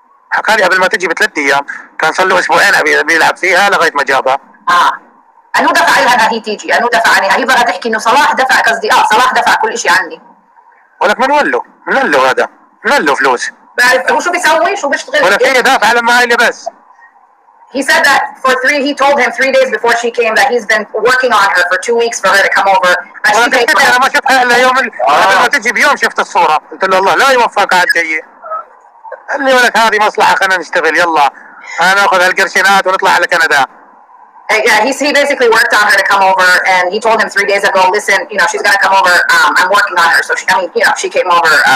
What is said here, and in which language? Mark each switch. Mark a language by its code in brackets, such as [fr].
[ar] حكى لي قبل ما تجي بثلاث أيام كان صار له أسبوعين أبي يلعب فيها لغاية ما جابها. أنو دفع لها أنها هي تيجي؟ أنو دفع عنها؟ هي بغى تحكي إنه صلاح دفع قصدي صلاح دفع كل إشي عني. ولك من وله؟ من له هذا؟ من له فلوس؟ بعرف هو شو بيسوي؟ شو بيشتغل؟ ولك هي دافع على المعايلة بس. [en] He said that for three, he told him three days before she came that he's been working on her for two weeks for her to come over. [ar] أنا ما شفتها إلا يوم قبل ما تجي بيوم شفت الصورة. قلت له الله لا يوفقك على الجاية. قال لي ولك هذه مصلحة خلنا نشتغل يلا. أنا أخذ هالقرشينات ونطلع على كندا. [en] Yeah, he basically worked on her to come over, and he told him 3 days ago, listen, you know, she's gonna come over. I'm working on her, so she, I mean, you know, she came over.